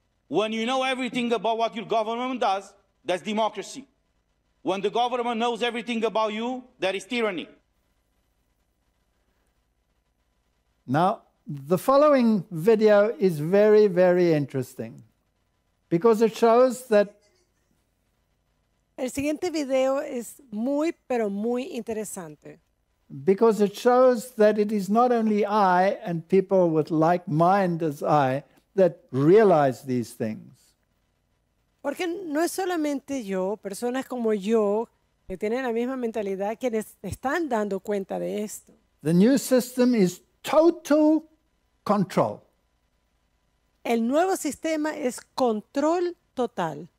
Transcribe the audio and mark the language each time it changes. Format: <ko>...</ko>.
<en>When you know everything about what your government does, that's democracy. When the government knows everything about you, that is tyranny. Now, the following video is very, very interesting because it shows that...</en> <es>El siguiente video es muy, pero muy interesante.</es> <en>Because it shows that it is not only I and people with like mind as I that realize these things.</en> <es>Porque no es solamente yo, personas como yo, que tienen la misma mentalidad, quienes están dando cuenta de esto.</es> <en>The new system is total control.</en> <es>El nuevo sistema es control total.</es>